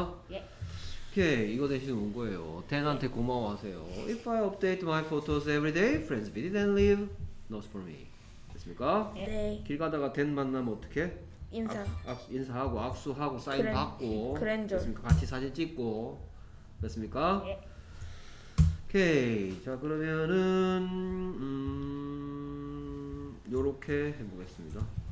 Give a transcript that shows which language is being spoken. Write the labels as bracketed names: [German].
[Korean] 예. 오케이, 이거 대신 온 거예요. 댄한테 고마워하세요. [English] If I update my photos every day, friends visit and leave notes for me. [Korean] 됐습니까? 네. 길 가다가 댄 만나면 어떻게? 인사. 인사하고 악수하고 사인 그랜, 받고. 그랜저. 됐습니까? 같이 사진 찍고. 됐습니까? 예. 오케이. 자, 그러면은 요렇게 해보겠습니다.